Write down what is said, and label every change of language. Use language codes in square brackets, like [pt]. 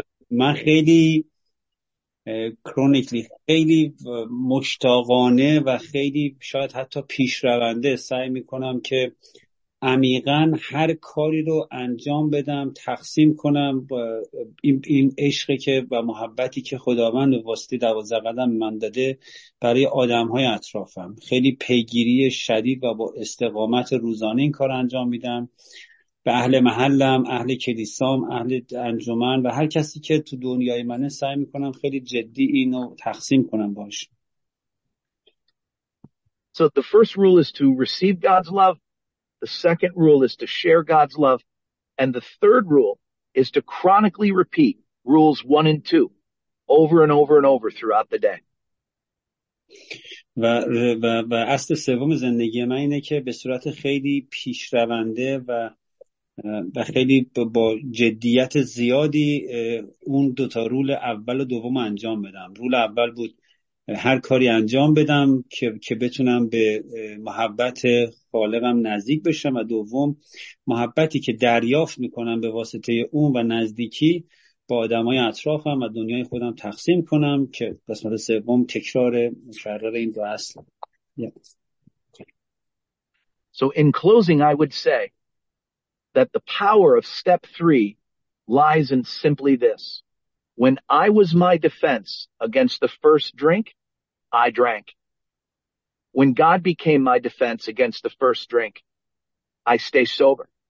[fa] من خیلی کرونیکلی، خیلی مشتاقانه و خیلی شاید حتی پیشرونده سعی میکنم که عمیقا هر کاری رو انجام بدم، تقسیم کنم این عشقی که و محبتی که خداوند واسطه 12 قدم من داده برای آدمهای اطرافم. خیلی پیگیری شدید و با استقامت روزانه این کار انجام میدم به اهل محلم، اهل کلیسام، اهل انجمن و هر کسی که تو دنیای منه سعی میکنم خیلی جدی اینو تقسیم کنم باش. [en] So the first rule is to receive God's love. The second rule is to share God's love. And the third rule is to chronically repeat rules 1 and 2 over and over and over throughout the day. [fa] و اصل سوم زندگی من اینه که به صورت خیلی پیشرونده و خیلی با جدیت زیادی اون دوتا رول اول و دوم انجام بدم. رول اول بود هر کاری انجام بدم که بتونم به محبت خالقم نزدیک بشم و دوم محبتی که دریافت میکنم به واسطه اون و نزدیکی با آدمای اطرافم و دنیای خودم تقسیم کنم، که قسمت سوم تکرار مکرر این دو اصل. [en] So in closing, I would say that the power of step three lies in simply this. When I was my defense against the first drink, I drank. When God became my defense against the first drink, I stay sober.